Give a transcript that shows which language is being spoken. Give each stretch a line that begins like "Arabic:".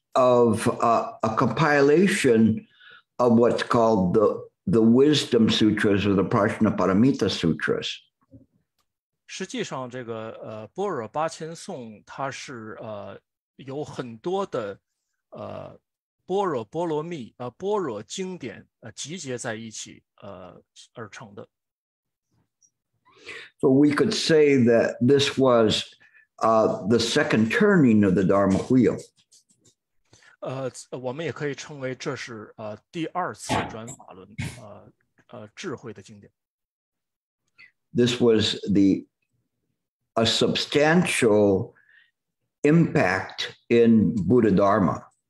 English: of a compilation of what's called the Wisdom Sutras or the Prajnaparamita Sutras.
Chinese: 实际上这个般若八千颂它是有很多的般若经典集结在一起而成的。
English: So we could say that this was the second turning of the Dharma wheel.
Chinese: 我们也可以称为这是第二次转法轮智慧的经典。
English: This was a substantial impact in Buddha Dharma.